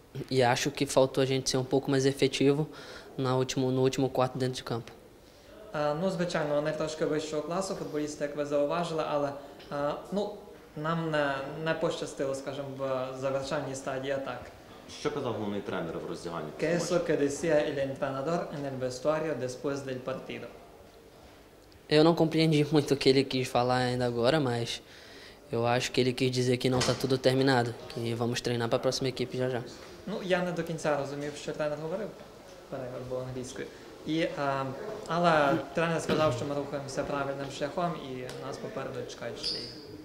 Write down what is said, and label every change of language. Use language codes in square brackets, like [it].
[pt] E acho que faltou a gente ser um pouco mais efetivo no último quarto dentro de campo. [uk] Ну, звичайно, вони трошки вищого класу футболісти, як ви зауважили, але нам не пощастило, скажімо, в завершальній стадії атак. Що казав головний тренер в роздягальні? [es] Que eso que decía el entrenador en el vestuario después del partido. [pt] Eu não compreendi muito o que ele quis falar ainda agora, mas eu acho que ele quis dizer que não está tudo terminado, que vamos treinar para a próxima equipe já já. [uk] Ну, я не до кінця розумів, що тренер говорив, перевод був англійською. Але тренер сказав, що ми рухаємося правильним шляхом і нас попереду чекають ще ігри.